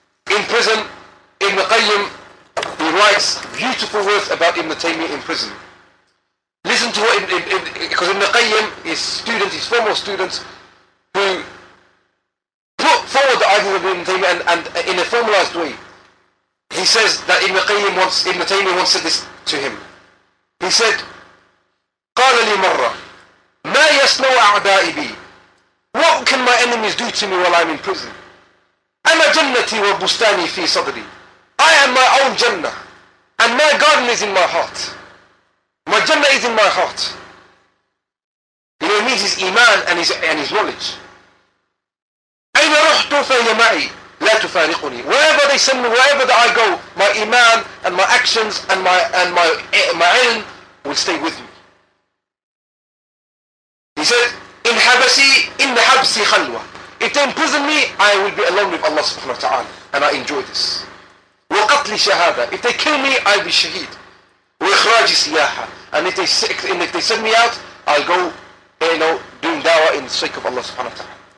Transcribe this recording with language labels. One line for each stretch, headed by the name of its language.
English: In prison, Ibn Qayyim, he writes beautiful words about Ibn Taymiyyah in prison. Listen to what because Ibn Qayyim, his student, his former student, who put forward the idea of Ibn Taymiyyah and in a formalized way, he says that Ibn Taymiyyah once said this to him. He said,
Arabic: "قال لي مرة ما يصنع أعدائي بي.
English: What can my enemies do to me while I'm in prison?
Arabic: أنا جنتي وبستاني في صدري.
English: I am my own Jannah, and my garden is in my heart. My Jannah is in my heart." You know, it means his iman and his knowledge.
Arabic: أين رحت فهي معي. لا تفارقني.
English: Wherever they send me, wherever that I go, my iman and my actions and my ilm will stay with me. He said,
Arabic: "إن حبسي إن حبسي خلوة.
English: If they imprison me, I will be alone with Allah subhanahu wa ta'ala, and I enjoy this.
Arabic: وقتلي شهادة.
English: If they kill me, I'll be shaheed.
Arabic: وإخراجي سياحة.
English: And if they send me out, I'll go, you know, doing dawah in the sake of Allah subhanahu wa ta'ala."